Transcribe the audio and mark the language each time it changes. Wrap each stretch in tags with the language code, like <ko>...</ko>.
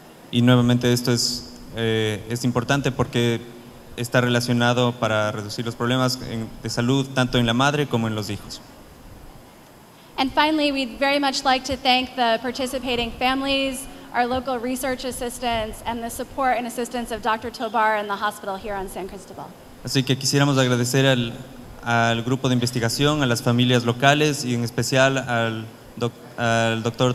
<es>Y nuevamente esto es, es importante porque está relacionado para reducir los problemas en, de salud tanto en la madre como en los hijos.</es> <en>And finally, we'd very much like to thank the participating families, our local research assistants, and the support and assistance of Dr. Tobar and the hospital here on San Cristobal.</en> <es>Así que quisiéramos agradecer al, al grupo de investigación, a las familias locales, y en especial al, al Dr.</es>